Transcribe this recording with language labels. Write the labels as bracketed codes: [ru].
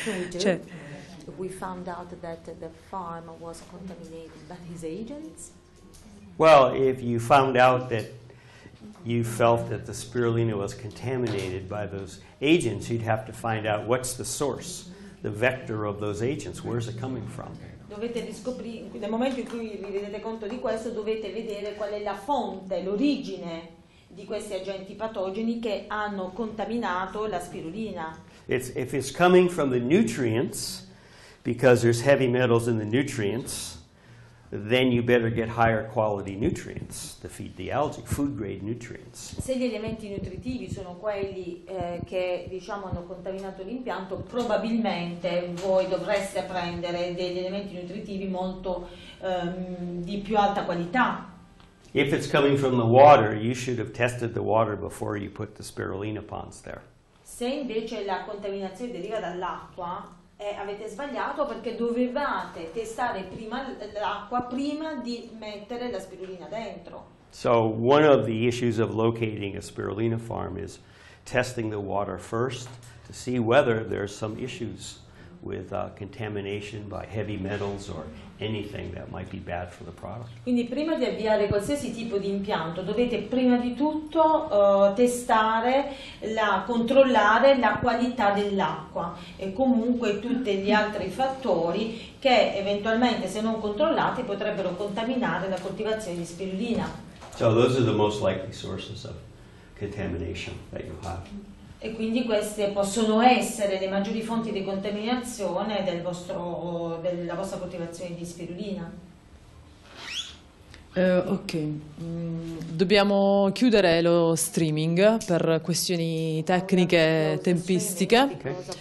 [en] Cioè, we found out that the farm was contaminated by his agents? Well, if you found out that you felt that the spirulina was contaminated by those agents, you'd have to find out what's the source, the vector of those agents, where's it coming from? [it] Dovete riscoprire, nel momento in cui vi rendete conto di questo, dovete vedere qual è la fonte, l'origine di questi agenti patogeni che hanno contaminato la spirulina. [en] It's, if it's coming from the nutrients, because there's heavy metals in the nutrients, then you better get higher quality nutrients to feed the algae, food grade nutrients. [it] Se gli elementi nutritivi sono quelli che, diciamo, hanno contaminato l'impianto, probabilmente voi dovreste prendere degli elementi nutritivi molto di più alta qualità. [en] If it's coming from the water, you should have tested the water before you put the spirulina ponds there. [it] Se invece la contaminazione deriva dall'acqua, avete sbagliato perché dovevate testare prima l'acqua prima di mettere la spirulina dentro. [en] So one of the issues of locating a spirulina farm is testing the water first to see whether there's some issues with contamination by heavy metals or anything that might be bad for the product. [it] Quindi prima di avviare qualsiasi tipo di impianto dovete prima di tutto testare, controllare la qualità dell'acqua e comunque tutti gli altri fattori che eventualmente se non controllati potrebbero contaminare la coltivazione di spirulina. [en] So those are the most likely sources of contamination that you have. [it] E quindi queste possono essere le maggiori fonti di contaminazione del vostro, della vostra coltivazione di spirulina. Ok, dobbiamo chiudere lo streaming per questioni tecniche, tempistiche.